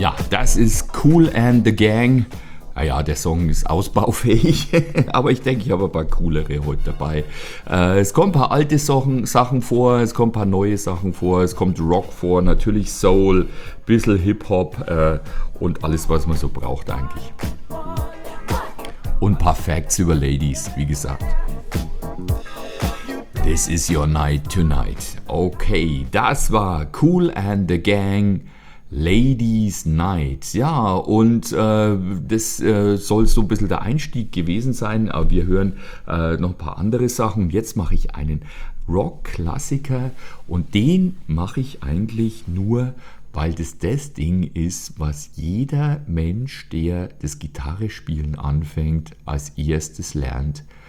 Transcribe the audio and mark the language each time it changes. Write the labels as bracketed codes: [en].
[de] Das ist Cool and the Gang. Ah ja, der Song ist ausbaufähig, aber ich denke, ich habe ein paar coolere heute dabei. Es kommen ein paar alte Sachen vor, es kommen ein paar neue Sachen vor, es kommt Rock vor, natürlich Soul, bisschen Hip-Hop und alles, was man so braucht eigentlich. Und ein paar Facts über Ladies, wie gesagt. [en] This is your night tonight. [de] Okay, das war Cool and the Gang. Ladies Night, ja, und das soll so ein bisschen der Einstieg gewesen sein, aber wir hören noch ein paar andere Sachen. Jetzt mache ich einen Rock-Klassiker und den mache ich eigentlich nur, weil das Ding ist, was jeder Mensch, der das Gitarrespielen anfängt, als erstes lernt.